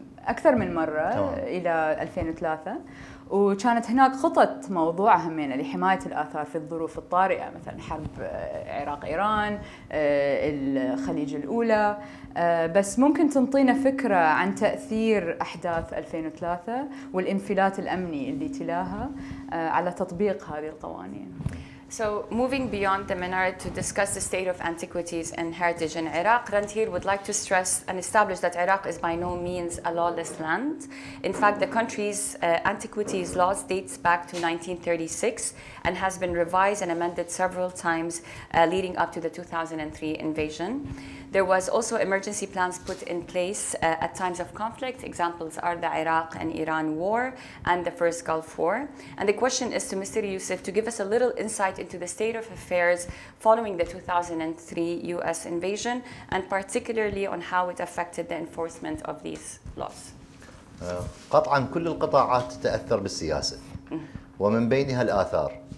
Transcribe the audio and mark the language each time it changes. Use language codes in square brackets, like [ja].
[ar] أكثر من مرة إلى 2003 وكانت هناك خطط موضوعة همينة لحماية الآثار في الظروف الطارئة مثلا حرب عراق إيران الخليج الأولى بس ممكن تنطينا فكرة عن تأثير أحداث 2003 والانفلات الأمني اللي تلاها على تطبيق هذه القوانين. [en] So moving beyond the minaret to discuss the state of antiquities and heritage in Iraq, Randhir would like to stress and establish that Iraq is by no means a lawless land. In fact, the country's antiquities laws dates back to 1936 and has been revised and amended several times leading up to the 2003 invasion. There was also emergency plans put in place at times of conflict. Examples are the Iraq and Iran war and the first Gulf War. And the question is to Mr. Yousif to give us a little insight into the state of affairs following the 2003 US invasion and particularly on how it affected the enforcement of these laws. [ar] قطعا كل القطاعات تتأثر بالسياسة ومن بينها الآثار.